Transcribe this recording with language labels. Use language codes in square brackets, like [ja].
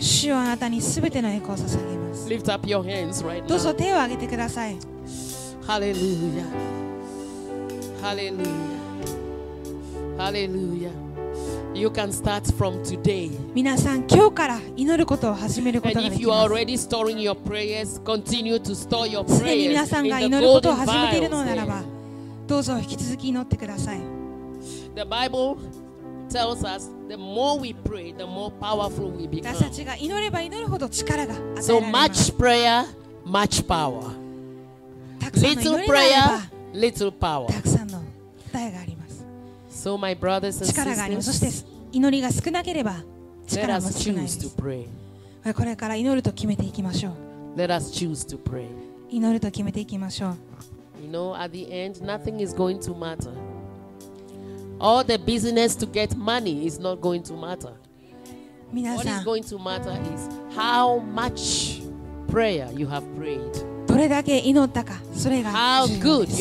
[ja] 主はあなたにすべての栄光を捧げます。 [en] Lift up your hands right now. [ja] どうぞ手を挙げてください。 [en] Hallelujah. Hallelujah. Hallelujah. You can start from today. [ja] 皆さん今日から祈ることを始めることができます。 [en] And if you are already storing your prayers, continue to store your prayers. [ja] 常に皆さんが祈ることを始めているのならば、どうぞ引き続き祈ってください。 [en] The Bible. Tells us the more we pray, the more powerful we become. [ja] 私たちが祈れば祈るほど力が与えられます。 [en] So much prayer, much power. Little prayer, little power. [ja] たくさんの答えがあります。 [en] So my brothers and sisters, [ja] 力があります。そして祈りが少なければ力も少ないです。これから祈ると決めていきましょう。 [en] Let us choose to pray. [ja] 祈ると決めていきましょう。 [en] You know, at the end, nothing is going to matter. All the business to get money is not going to matter. What is going to matter is how much prayer you have prayed. [ja] どれだけ祈ったか、それが重要です。